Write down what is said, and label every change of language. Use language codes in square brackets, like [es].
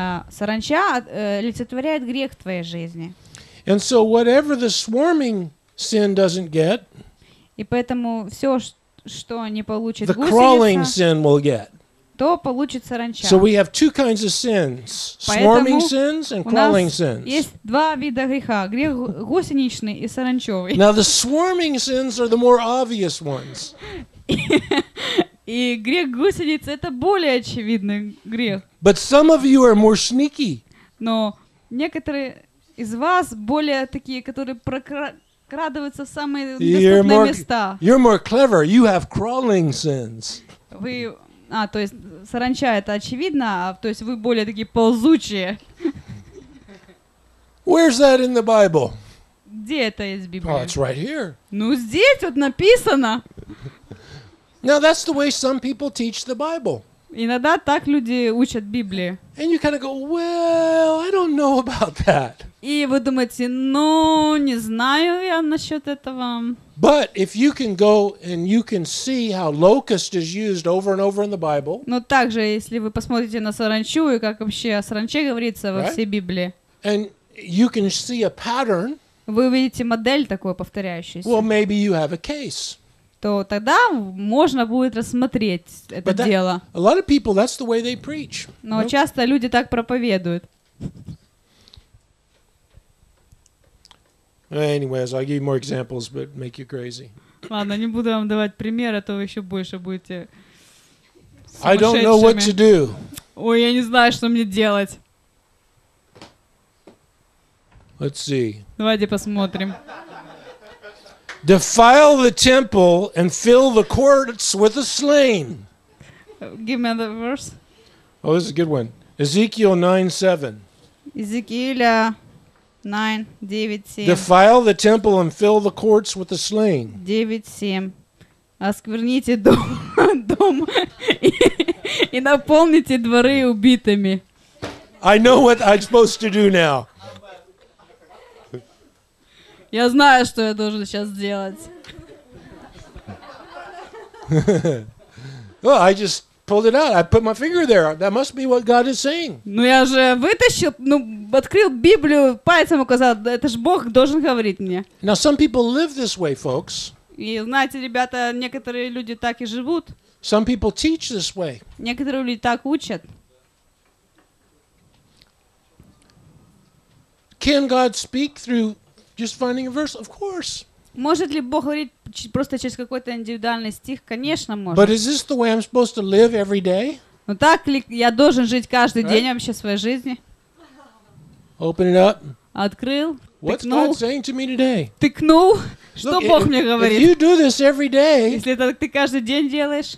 [ru] Саранча олицетворяет грех в твоей жизни. [en] And so whatever the swarming sin doesn't get, [ru] и поэтому все, что не получит гусеница, [en] the crawling sin will get. [ru] То получит саранча. [en] So we have two kinds of sins, swarming sins and crawling sins. [ru] У нас есть два вида греха, грех гусеничный и саранчовый. [en] Now the swarming sins are the more obvious ones. [ru] И грех гусеницы это более очевидный грех. [en] But some of you are more sneaky. [ru] Но некоторые из вас более такие, которые прокрадываются в самые недоступные места. [en] You're more clever. You have crawling sins. [ru] Вы, то есть саранча это очевидно, то есть вы более такие ползучие. [en] Where's that in the Bible? [ru] Где это из Библии? [en] Oh, it's right here. [ru] Ну здесь вот написано. [en] Now that's the way some people teach the Bible. [ru] Иногда так люди учат Библии. [en] And you kind of go, well, I don't know about that. [ru] И вы думаете, ну, не знаю я насчет этого. [en] But if you can go and you can see how locust is used over and over in the Bible. [ru] Но также, если вы посмотрите на саранчу и как вообще о саранче говорится во всей Библии. [en] And you can see a pattern. [ru] Вы увидите модель такую повторяющуюся. [en] Well, maybe you have a case. [ru] То тогда можно будет рассмотреть это дело. [en] A lot of people, that's the way they preach. [ru] Но часто люди так проповедуют. [en] Anyways, I'll give you more examples, but make you crazy. [ru] Ладно, не буду вам давать пример, а то вы еще больше будете [en] I don't know what to do. [ru] Ой, я не знаю, что мне делать. [en] Let's see. [ru] Давайте посмотрим. [en] defile the temple and fill the courts with the slain. Give me another verse. Oh, this is a good one. Ezekiel 9:7. Ezekiel 9:7. Defile the temple and fill the courts with the slain. 9:7. [ru] Оскверните дом и наполните дворы убитыми. [en] I know what I'm supposed to do now. [ru] Я знаю, что я должен сейчас сделать. [en] Well, I just pulled it out. I put my finger there. That must be what God is saying. [ru] Ну я же вытащил, ну открыл Библию, пальцем указал. Это ж Бог должен говорить мне. [en] Now some people live this way, folks. [ru] И знаете, ребята, некоторые люди так и живут. [en] Some people teach this way. [ru] Некоторые люди так учат. [en] Can God speak through just finding a verse? Of course. [ru] Может ли Бог говорить просто через какой-то индивидуальный стих? Конечно, может. [en] But is this the way I'm supposed to live every day? [ru] Ну так ли я должен жить каждый день вообще своей жизни? [en] Open it up. [ru] Открыл. [en] What's God saying to me today? [ru] Тыкнул. Что Бог мне говорит? [en] If you do this every day, [ru] если это ты каждый день делаешь,